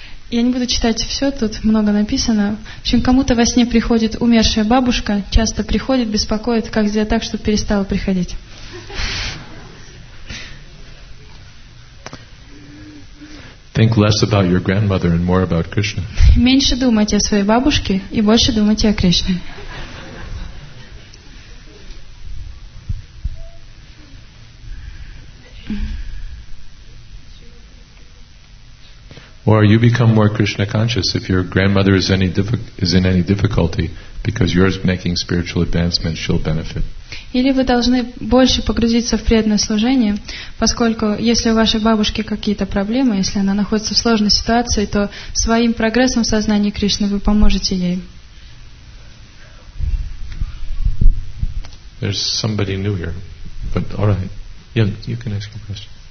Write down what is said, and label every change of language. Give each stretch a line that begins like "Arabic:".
Russian: Я не буду читать все, тут много написано. В общем, кому-то во сне приходит умершая бабушка, часто приходит, беспокоит, как сделать так, чтобы перестала приходить.
English: Think less about your grandmother and more about Krishna.
Russian: Меньше думать о своей бабушке и больше думать о Кришне.
English: Or you become more Krishna conscious if your grandmother is in any difficulty because you're making spiritual advancement, she'll benefit.
Russian: Или вы должны больше погрузиться в преданное служение, поскольку если у вашей бабушки какие-то проблемы, если она находится в сложной ситуации, то своим прогрессом в сознании Кришны вы поможете ей.
English: There's somebody new here, but all right, yeah, you can ask your question.